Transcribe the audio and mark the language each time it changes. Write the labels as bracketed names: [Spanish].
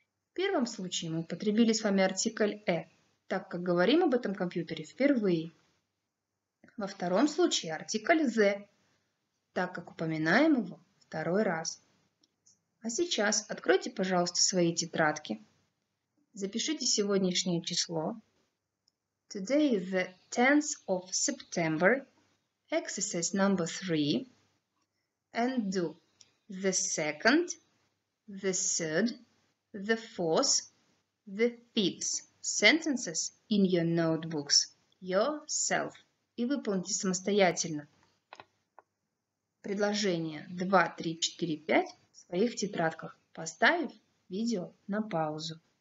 [Russian] В первом случае мы употребили с вами артикль «э», так как говорим об этом компьютере впервые. Во втором случае артикль «зе», так как упоминаем его второй раз. А сейчас откройте, пожалуйста, свои тетрадки. Запишите сегодняшнее число. [English] Today is the 10th of September, exercise number 3, and do the 2nd, the 3rd, the 4th, the 5th sentences in your notebooks yourself. [Russian] И выполните самостоятельно предложение 2, 3, 4, 5 в своих тетрадках, поставив видео на паузу.